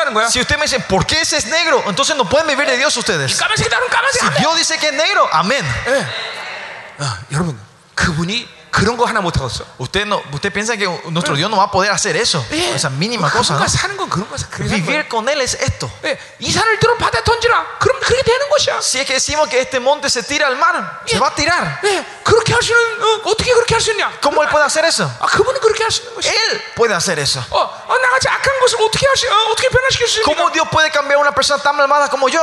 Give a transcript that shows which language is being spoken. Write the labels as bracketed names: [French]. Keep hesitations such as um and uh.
[Spanish] Si usted me dice, ¿por qué ese es negro? Entonces no pueden vivir de Dios ustedes. Si Dios dice que es negro, amén. [Korean] Ah, 여러분, 그런 거 하나 못 하겠어. [Spanish] Usted no, usted piensa que nuestro 네. Dios no va a poder hacer eso. 네. Esa mínima 그 cosa. [Korean] 그러니까 사는 건 그런 거 [Spanish] Vivir con él es esto. [Korean] 네. 이산을 들어 바다 던지라. 그럼 그게 되는 것이야. [Spanish] Si es que decimos que este monte se tira al mar, 네. se va a tirar. 네. [Korean] 그렇게 할 수는 어, 어떻게 그렇게 할수 있냐? [Spanish] ¿Cómo 그럼, él puede hacer eso? [Korean] 아, 그분은 그렇게 할수 있는 것이야. [Spanish] Él puede hacer eso. [Korean] 어, 어 나가지 악한 것을 어떻게 할 수, 어, 어떻게 변화시킬 수 있나? [Spanish] ¿Cómo Dios puede cambiar una persona tan malvada como yo?